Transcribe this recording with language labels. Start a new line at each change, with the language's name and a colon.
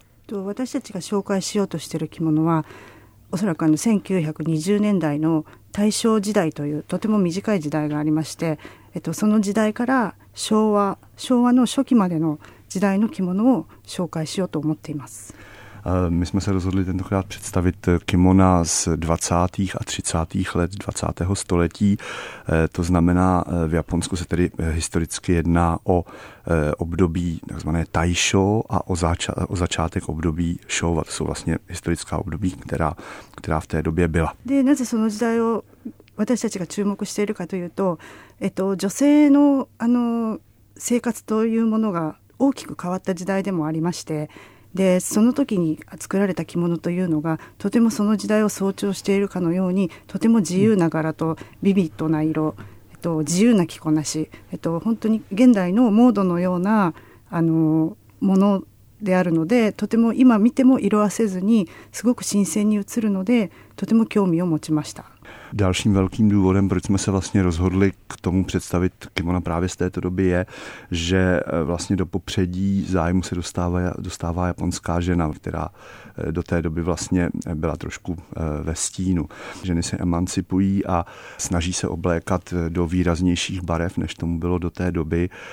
Japanese: 私たちが紹介しようとしている着物はおそらく1920年代の大正時代というとても短い時代がありまして、その時代から昭和の初期までの時代の着物を紹介しようと思っています。
Czech: My jsme se rozhodli tentokrát představit kimona z 20. a 30. let 20. století. To znamená, v Japonsku se tedy historicky jedná o období takzvané Taisho a o začátek období Showa. To jsou vlastně historická období, která v té době byla. Na co
Japanese: その時代を私たちが注目しているかというと、女性の、生活というものが大きく変わった時代でもありまして、でその時に作られた着物というのがとてもその時代を象徴しているかのようにとても自由な柄とビビッドな色、自由な着こなし、本当に現代のモードのようなものをであるので、とても今見ても色あせずにすごく新鮮に映るので、とても興味を持ちました。
Czech: Dalším velkým důvodem, proč jsme se vlastně rozhodli k tomu představit kimona právě z této doby, je, že vlastně do popředí zájmu se dostává japonská žena, která do té doby vlastně byla trošku ve stínu. Ženy se emancipují a snaží se oblékat do výraznějších barev, než tomu bylo do té doby.